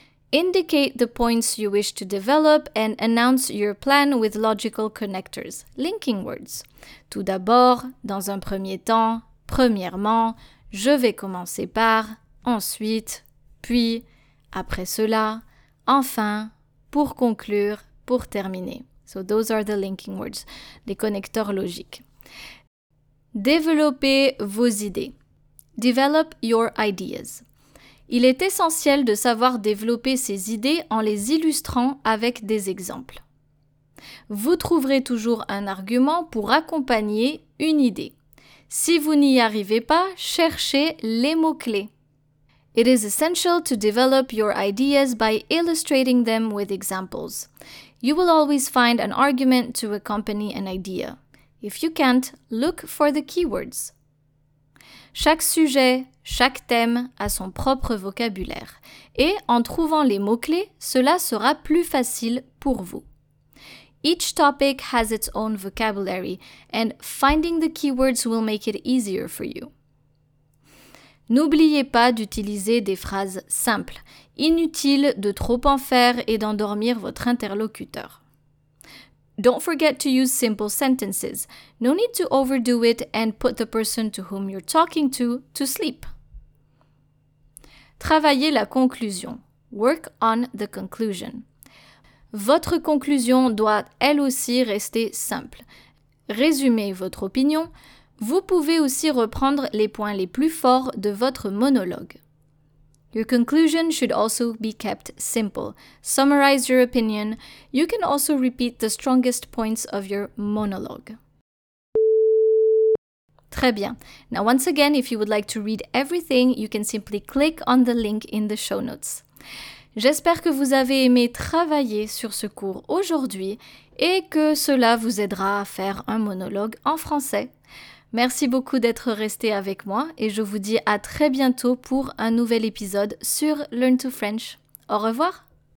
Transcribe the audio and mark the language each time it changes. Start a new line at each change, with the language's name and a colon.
English: Indicate the points you wish to develop and announce your plan with logical connectors, linking words.
French: Tout d'abord, dans un premier temps, premièrement, je vais commencer par, ensuite, puis, après cela, enfin, pour conclure, pour terminer.
English: So those are the linking words,
French: les connecteurs logiques. Développez vos idées.
English: Develop your ideas.
French: Il est essentiel de savoir développer ses idées en les illustrant avec des exemples. Vous trouverez toujours un argument pour accompagner une idée. Si vous n'y arrivez pas, cherchez les mots-clés.
English: It is essential to develop your ideas by illustrating them with examples. You will always find an argument to accompany an idea. If you can't, look for the keywords.
French: Chaque sujet, chaque thème a son propre vocabulaire. Et en trouvant les mots-clés, cela sera plus facile pour vous.
English: Each topic has its own vocabulary, and finding the keywords will make it easier for you.
French: N'oubliez pas d'utiliser des phrases simples. Inutile de trop en faire et d'endormir votre interlocuteur.
English: Don't forget to use simple sentences. No need to overdo it and put the person to whom you're talking to sleep.
French: Travaillez la conclusion.
English: Work on the conclusion.
French: Votre conclusion doit elle aussi rester simple. Résumez votre opinion. Vous pouvez aussi reprendre les points les plus forts de votre monologue.
English: Your conclusion should also be kept simple. Summarize your opinion. You can also repeat the strongest points of your monologue.
French: Très bien.
English: Now once again, if you would like to read everything, you can simply click on the link in the show notes.
French: J'espère que vous avez aimé travailler sur ce cours aujourd'hui et que cela vous aidera à faire un monologue en français. Merci beaucoup d'être resté avec moi et je vous dis à très bientôt pour un nouvel épisode sur Learn to French. Au revoir !